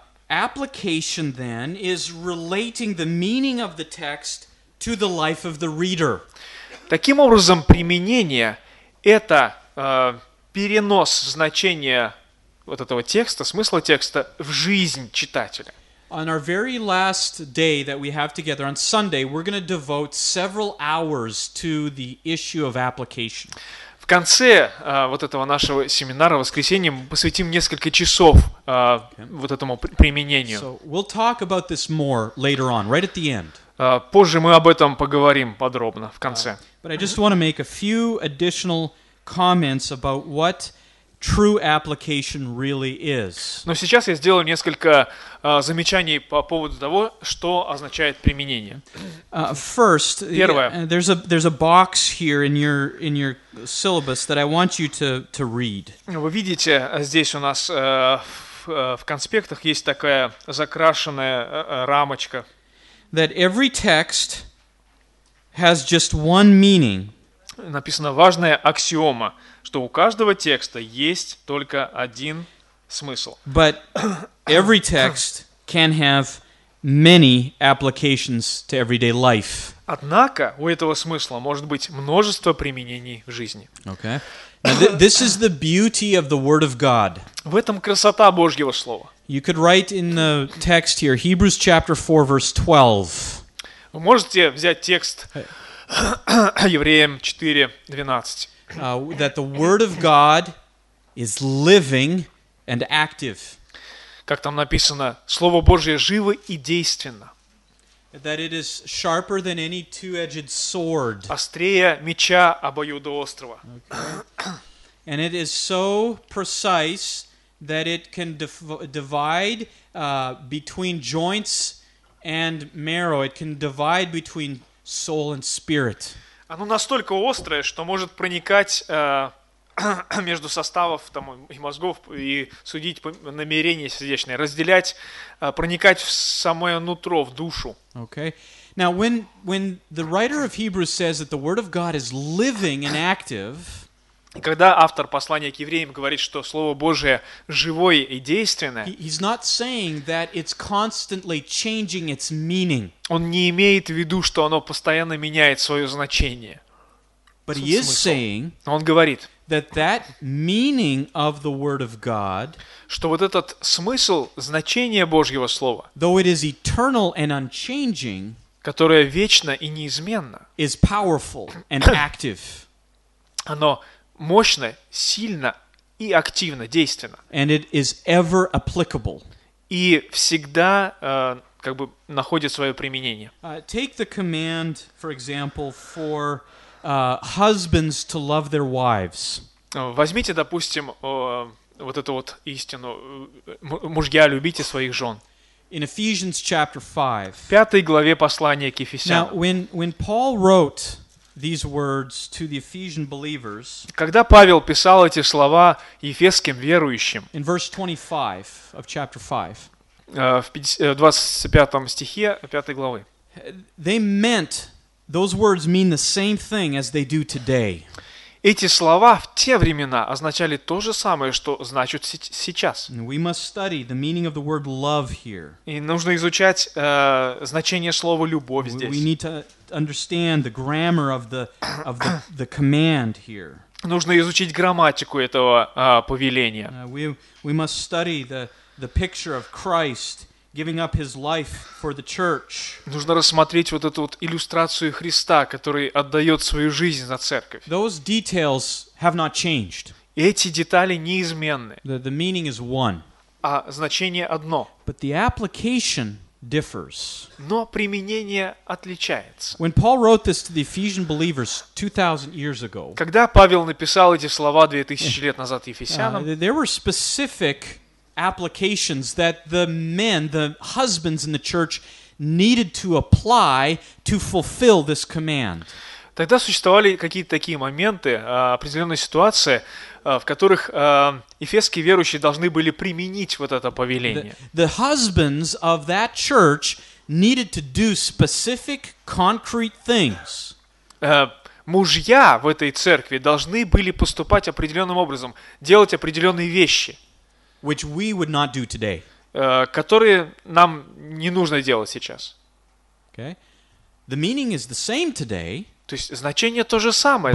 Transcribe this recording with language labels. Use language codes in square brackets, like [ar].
[en] Application then is relating the meaning of the text to the life of the reader. [ru] Таким образом, применение это перенос значения вот этого текста, смысла текста в жизнь читателя. [en] On our very last day that we have together on Sunday, we're going to devote several hours to the issue of application. [ru] В конце вот этого нашего семинара в воскресенье мы посвятим несколько часов вот этому применению. [en] So we'll talk about this more later on, right at the end. [ru] Позже мы об этом поговорим подробно в конце. [en] But I just want to make a few additional comments about what true application really is. [ru] Но сейчас я сделаю несколько замечаний по поводу того, что означает применение. [en] First, [ru] первое. [en] There's a box here in your syllabus that I want you to read. [ru] Вы видите, здесь у нас в конспектах есть такая закрашенная рамочка. [en] That every text has just one meaning. [ru] Написано важная аксиома, что у каждого текста есть только один смысл. [en] But every text can have many applications to everyday life. [ru] Однако у этого смысла может быть множество применений в жизни. [en] Okay. Now, this is the beauty of the Word of God. [ru] В этом красота Божьего слова. [en] You could write in the text here Hebrews chapter 4 verse 12. [ru] Вы можете взять текст Евреям 4:12. [en] That the word of God is living and active. [ru] Как там написано, Слово Божье живо и действенно. [en] That it is sharper than any two-edged sword. [ru] Острее меча обоюдоострого. [en] And it is so precise that it can divide between joints and marrow. It can divide between soul and spirit. [ru] Оно настолько острое, что может проникать между составов там, и мозгов и судить намерения сердечные, разделять, проникать в самое нутро, в душу. [en] Okay. Now, when the writer of Hebrews says that the word of God is living and active, [ru] и когда автор послания к евреям говорит, что Слово Божие живое и действенное, [en] he's not saying that it's constantly changing its meaning. [ru] Он не имеет в виду, что оно постоянно меняет свое значение. [en] But he is saying, [ru] он говорит, [en] that meaning of the word of God, [ru] что вот этот смысл, значение Божьего Слова, [en] though it is eternal and unchanging, [ru] которое вечно и неизменно, [en] is powerful and active. [ru] Оно мощно, сильно и активно, действенно. [en] And it is ever applicable. [ru] И всегда как бы находит свое применение. [en] Take the command, for example, for husbands to love their wives. [ru] Возьмите, допустим, вот эту вот истину: мужья, любите своих жен. [en] In Ephesians chapter 5. [ru] В пятой главе послания к Ефесянам. [en] Now, when Paul wrote these words to the Ephesian believers. [ru] Когда Павел писал эти слова ефесским верующим. [en] In verse 25 of chapter 5. [ru] В 25 стихе 5 главы. [en] They meant those words mean the same thing as they do today. [ru] Эти слова в те времена означали то же самое, что значат сейчас. [en] And we must study the meaning of the word love here. [ru] И нужно изучать значение слова любовь здесь. [en] We need to understand the grammar of the command here. [ru] Нужно изучить грамматику этого повеления. [en] We must study the picture of Christ giving up his life for the church. [ru] Нужно рассмотреть вот эту вот иллюстрацию Христа, который отдает свою жизнь за церковь. [en] Those details have not changed. [ru] Эти детали неизменны. [en] The meaning is one. [ru] А значение одно. [en] But the application differs. [ru] Но применение отличается. [en] When Paul wrote this to the Ephesian believers 2000 years ago. [ru] Когда Павел написал эти слова 2000 лет назад ефесянам, [en] there were specific applications that the men, the husbands in the church needed to apply to fulfill this command. [ru] Тогда существовали какие-то такие моменты, определенные ситуации, в которых эфесские верующие должны были применить вот это повеление. [en] The husbands of that church needed to do specific concrete things. [ru] Мужья в этой церкви должны были поступать определенным образом, делать определенные вещи, [en] which we would not do today. [ru] Которые нам не нужно делать сейчас. [en] Okay. The meaning is the same today. [ru] То есть значение то же самое